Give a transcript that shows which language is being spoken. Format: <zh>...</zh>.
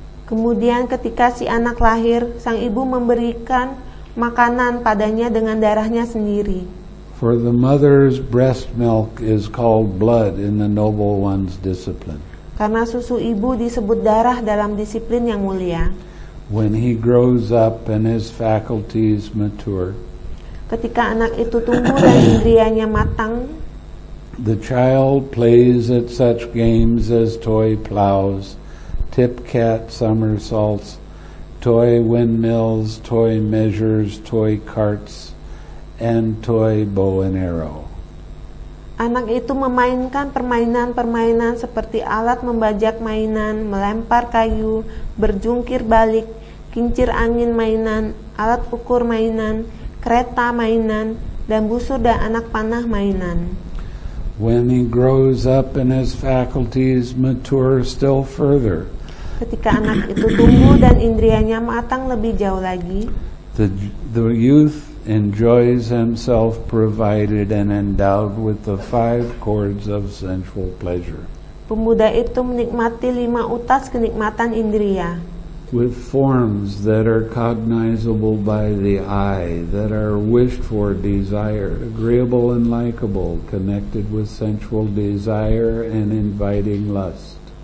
<id>Kemudian ketika si anak lahir, sang ibu memberikan makanan padanya dengan darahnya sendiri.</id> <en>For the mother's breast milk is called blood in the noble one's discipline.</en> <id>Karena susu ibu disebut darah dalam disiplin yang mulia.</id> <en>When he grows up and his faculties mature,</en> <id>ketika anak itu tumbuh dan indrianya matang,</id> <en>the child plays at such games as toy plows, tip cat somersaults, toy windmills, toy measures, toy carts, and toy bow and arrow.</en> <id>Anak itu memainkan permainan-permainan seperti alat membajak mainan, melempar kayu, berjungkir balik, kincir angin mainan, alat ukur mainan, kereta mainan, dan busur dan anak panah mainan.</id> <en>When he grows up and his faculties mature still further,</en> <id>ketika anak itu tumbuh dan indrianya matang lebih jauh lagi,</id> <en>the youth enjoys himself provided and endowed with the 5 chords of sensual pleasure.</en> <id>Pemuda itu menikmati 5 utas kenikmatan indria.</id> <en>With forms that are cognizable by the eye, that are wished for, desired, agreeable and likable, connected with sensual desire and inviting lust.</en>